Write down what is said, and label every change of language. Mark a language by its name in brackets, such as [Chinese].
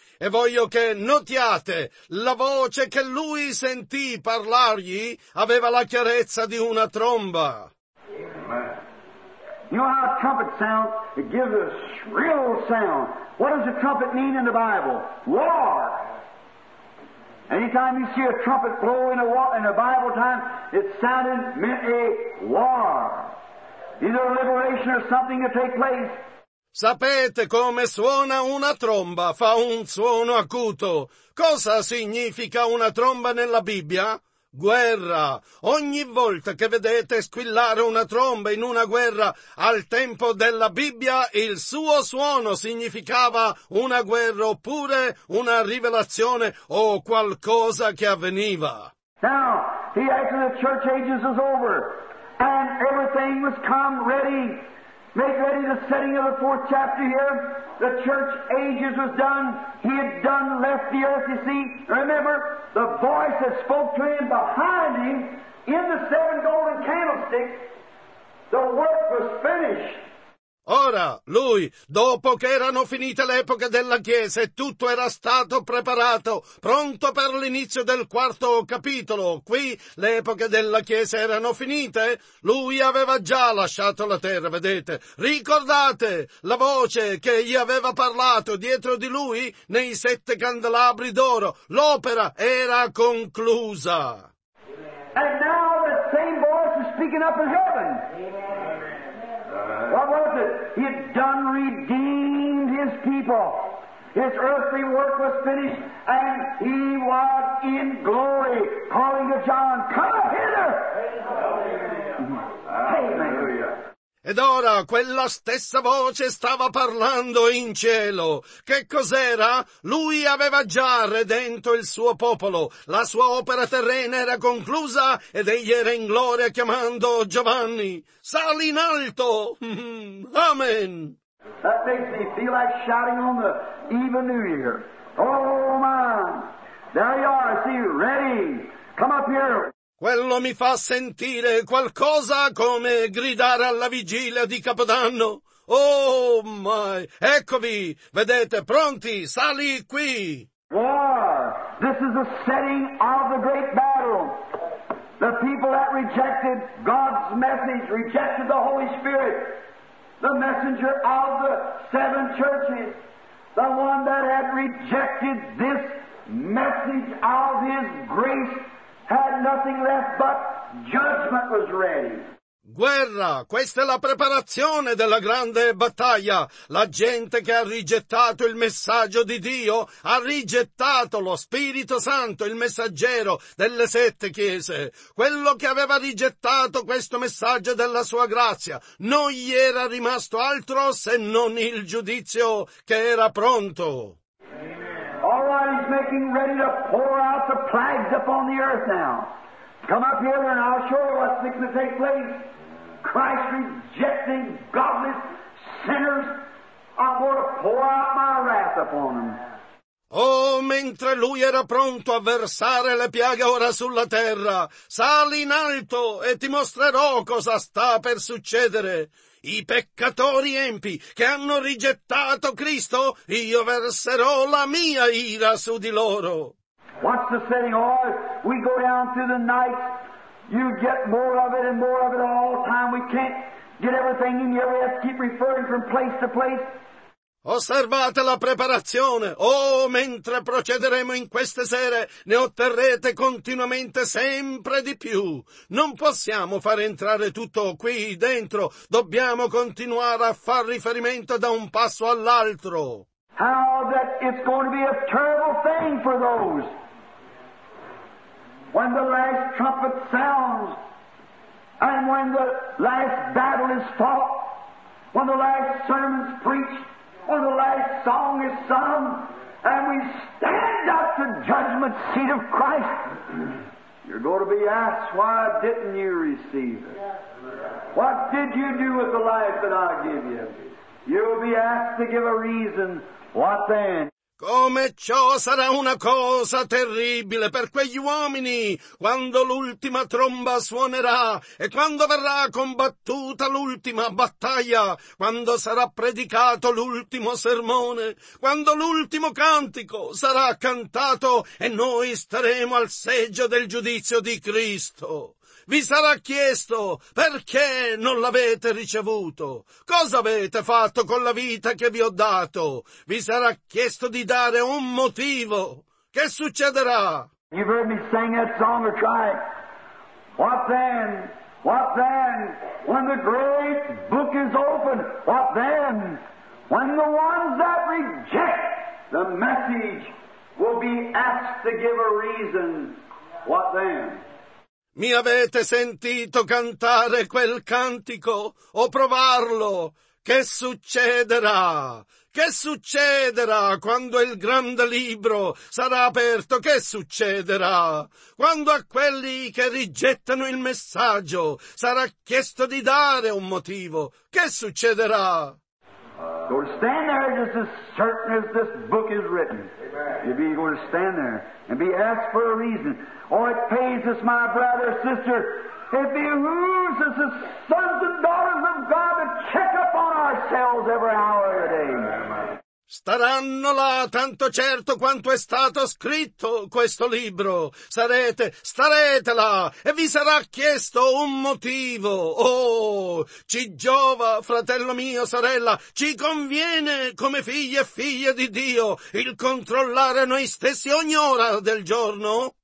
[Italian] E voglio che notiate, la voce che lui sentì parlargli aveva la chiarezza di una tromba. Amen. [English] You know how a trumpet sounds? It gives a shrill sound. What does a trumpet mean in the Bible? War! Anytime you see a trumpet blow in a Bible time, it sounded meant a war. Either a liberation or something to take place. [Italian] Sapete come suona una tromba? Fa un suono acuto. Cosa significa una tromba nella Bibbia? Guerra. Ogni volta che vedete squillare una tromba in una guerra, al tempo della Bibbia, il suo suono significava una guerra oppure una rivelazione o qualcosa che avveniva. [English] Now, the age of the church ages is over, and everything was come ready. Make ready the setting of the fourth chapter here. The church ages was done. He had done left the earth, you see. Remember, the voice that spoke to him behind him in the seven golden candlesticks The work was finished. [Italian] Ora, lui, dopo che erano finite le epoche della Chiesa e tutto era stato preparato, pronto per l'inizio del quarto capitolo, qui le epoche della Chiesa erano finite, lui aveva già lasciato la terra, vedete. Ricordate la voce che gli aveva parlato dietro di lui nei sette candelabri d'oro. L'opera era conclusa. [English] And now the same voice is speaking up in heaven. What was it? He had done, redeemed his people. His earthly work was finished, and he was in glory, calling to John, come hither! Amen. [Italian] Ed ora quella stessa voce stava parlando in cielo. Che cos'era? Lui aveva già redento il suo popolo. La sua opera terrena era conclusa ed egli era in gloria chiamando Giovanni. Sali in alto! Amen! [English] That makes me feel like shouting on the eve of New Year. Oh man! There you are, I see you. Ready! Come up here! [Italian] Quello mi fa sentire qualcosa come gridare alla vigilia di Capodanno. [English] Oh, my! [Italian] Eccovi! Vedete, pronti? Sali qui! [English] War! This is the setting of the great battle. The people that rejected God's message, rejected the Holy Spirit, the messenger of the seven churches, the one that had rejected this message of his grace, had nothing left but judgment was ready. [Italian] Guerra, questa è la preparazione della grande battaglia. La gente che ha rigettato il messaggio di Dio ha rigettato lo Spirito Santo, il messaggero delle sette chiese. Quello che aveva rigettato questo messaggio della sua grazia, non gli era rimasto altro se non il giudizio che era pronto. [English] All right, he's making ready to pour out the plagues upon the earth now. Come up here and I'll show you what's going to take place. Christ rejecting godless sinners, I'm going to pour out my wrath upon them. [Italian] Oh, mentre lui era pronto a versare le piaghe ora sulla terra, sali in alto e ti mostrerò cosa sta per succedere. I peccatori empi che hanno rigettato Cristo, io verserò la mia ira su di loro. [English] What's the saying? Oh, we go down through the night, you get more of it and more of it all the time. We can't get everything in you. We have to keep referring from place to place. [Italian] Osservate la preparazione. Oh, mentre procederemo in queste sere, ne otterrete continuamente sempre di più. Non possiamo far entrare tutto qui dentro. Dobbiamo continuare a far riferimento da un passo all'altro. [English] How that it's going to be a terrible thing for those when the last trumpet sounds and when the last battle is fought, when the last sermon's preached, when the last song is sung, and we stand at the judgment seat of Christ, you're going to be asked, why didn't you receive it? What did you do with the life that I give you? You'll be asked to give a reason. What then? [Italian] Come ciò sarà una cosa terribile per quegli uomini quando l'ultima tromba suonerà e quando verrà combattuta l'ultima battaglia, quando sarà predicato l'ultimo sermone, quando l'ultimo cantico sarà cantato e noi staremo al seggio del giudizio di Cristo. Vi sarà chiesto perché non l'avete ricevuto. Cosa avete fatto con la vita che vi ho dato? Vi sarà chiesto di dare un motivo. Che succederà? [English] You've heard me sing that song or try it. What then? What then? When the great book is open, what then? When the ones that reject the message will be asked to give a reason, what then? [Italian] Mi avete sentito cantare quel cantico o provarlo? Che succederà? Che succederà quando il grande libro sarà aperto? Che succederà? Quando a quelli che rigettano il messaggio sarà chiesto di dare un motivo? Che succederà? [English] You'll stand there just as certain as this book is written. You'll be going to stand there and be asked for a reason. Oh, it pains us, my brother, sister, It behooves us as sons and daughters of God to check up on ourselves every hour of the day. [Italian] Staranno là, tanto certo quanto è stato scritto questo libro. Starete là, e vi sarà chiesto un motivo. Oh, ci giova, fratello mio, sorella, ci conviene come figli e figlie di Dio il controllare noi stessi ogni ora del giorno.